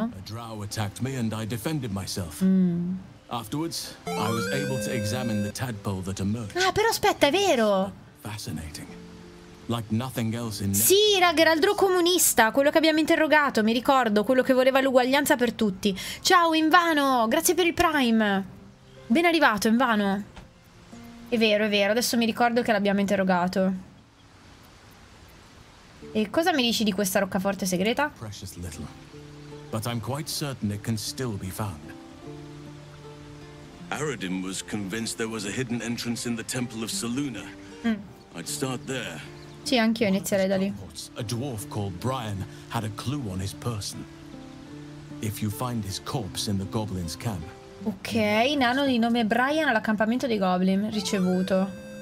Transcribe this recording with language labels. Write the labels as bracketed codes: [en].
[en] A drow attacked me and I defended myself. Afterwards, I was able to examine the tadpole that emerged. [it] Ah, però aspetta, è vero. [en] Fascinating. Like nothing else in... [it] Sì, raga, era il drow comunista, quello che abbiamo interrogato, mi ricordo, quello che voleva l'uguaglianza per tutti. Ciao, Invano, grazie per il Prime. Ben arrivato, Invano. È vero, adesso mi ricordo che l'abbiamo interrogato. E cosa mi dici di questa roccaforte segreta? [en] Precious little. But I'm quite certain it can still be found. Aradin was convinced there was a hidden entrance in the Temple of Saluna. I'd start there. [it] Sì, anch'io inizierei da lì. [en] A dwarf called Brian had a clue on his person. If you find his corpse in the goblin's camp. [it] Ok, nano di nome Brian all'accampamento dei goblin, ricevuto.